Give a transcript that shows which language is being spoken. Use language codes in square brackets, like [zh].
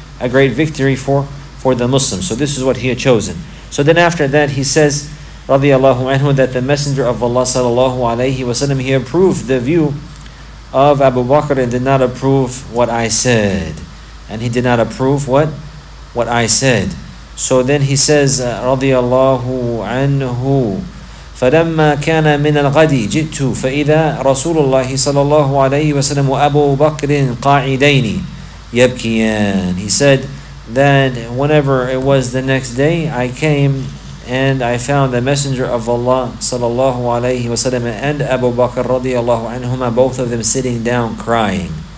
[en] a great victory for the Muslims. So this is what he had chosen. So then after that, he says, radiallahu anhu, that the Messenger of Allah sallallahu alayhi wa sallam, he approved the view of Abu Bakr and did not approve what I said. And he did not approve what I said. So then he says, radiallahu anhu, [ar] فَلَمَّا كَانَ مِنَ الْغَدِي جِئْتُ فَإِذَا رَسُولُ اللَّهِ صَلَى اللَّهُ عَلَيْهِ وَسَلَمُ وَأَبُوْ بَكْرٍ قَاعِدَيْنِ يَبْكِيَانِ. [en] He said that whenever it was the next day, I came and I found the Messenger of Allah [ar] صلى الله عليه وسلم [en] and Abu Bakr [ar] رضي الله عنهما, [en] both of them sitting down crying.